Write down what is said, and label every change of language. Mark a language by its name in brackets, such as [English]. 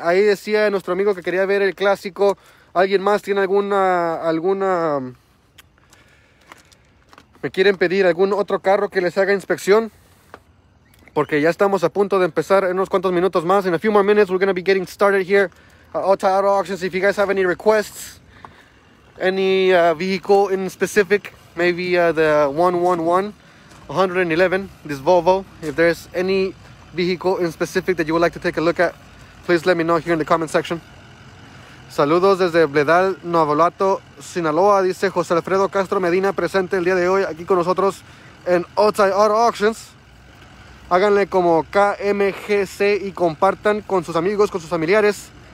[Spanish] Ahí decía nuestro amigo que quería ver el clásico. ¿Alguien más tiene alguna... me quieren pedir algún otro carro que les haga inspección? Porque ya estamos a punto de empezar en unos cuantos minutos más. [English] In a few more minutes, we're going to be getting started here at Otay Auto Auctions. If you guys have any requests, any vehicle in specific, maybe the 111, this Volvo. If there's any vehicle in specific that you would like to take a look at, please let me know here in the comment section. [Spanish] Saludos desde Bledal, Nuevo Lato, Sinaloa, dice José Alfredo Castro Medina, presente el día de hoy aquí con nosotros en Otay Auto Auctions. Háganle como KMGC y compartan con sus amigos, con sus familiares.